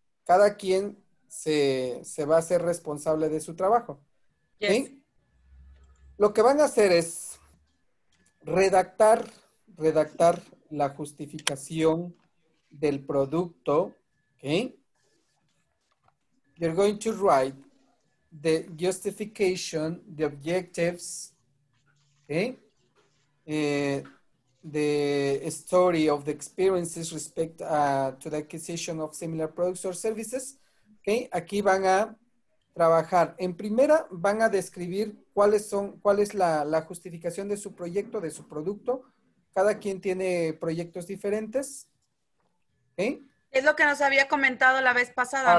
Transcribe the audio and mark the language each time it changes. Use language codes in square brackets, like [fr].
[es] Cada quien se va a hacer responsable de su trabajo. [en] ¿Okay? Yes. [es] Lo que van a hacer es redactar la justificación del producto. [en] ¿Okay? You're going to write the justification, the objectives. ¿Okay? The story of the experiences respect to the acquisition of similar products or services. [es] Okay, aquí van a trabajar. En primera van a describir cuál es la justificación de su proyecto, de su producto. Cada quien tiene proyectos diferentes. Okay. Es lo que nos había comentado la vez pasada,